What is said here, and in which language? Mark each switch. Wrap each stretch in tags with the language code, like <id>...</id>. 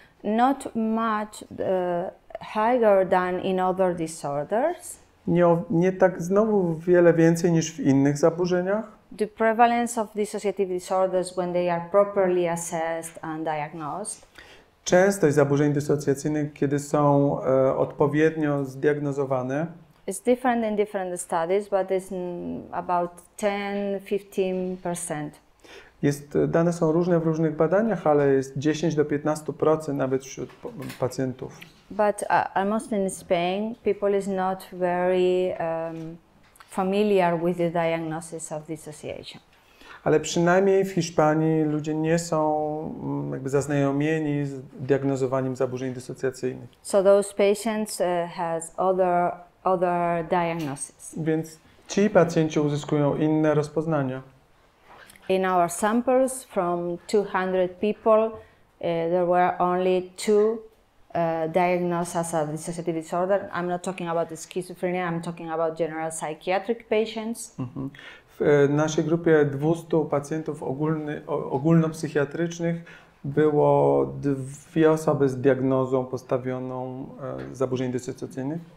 <en>Not much higher than in other disorders.</en> <pl>Nie tak znowu wiele więcej niż w innych zaburzeniach.</pl> <en>The prevalence of dissociative disorders when they are properly assessed and diagnosed.</en> <pl>Częstość zaburzeń dysocjacyjnych, kiedy są odpowiednio zdiagnozowane.</pl> <en>It's different in different studies, but it's about 10-15%.</en> <pl>Dane są różne w różnych badaniach, ale jest 10-15% nawet wśród pacjentów.</pl> <en>But almost in Spain, people is not very familiar with the diagnosis of dissociation.</en> <pl>Ale przynajmniej w Hiszpanii ludzie nie są jakby zaznajomieni z diagnozowaniem zaburzeń dysocjacyjnych.</pl> <en>So those patients has other diagnosis.</en> <pl>Więc ci pacjenci uzyskują inne rozpoznania.</pl> <en>In our samples from 200 people, there were only two diagnosed as a dissociative disorder. I'm not talking about the schizophrenia, I'm talking about general psychiatric patients.</en> <pl>W naszej grupie 200 pacjentów ogólnopsychiatrycznych było dwie osoby z diagnozą postawioną zaburzeń dysocjacyjnych.</pl>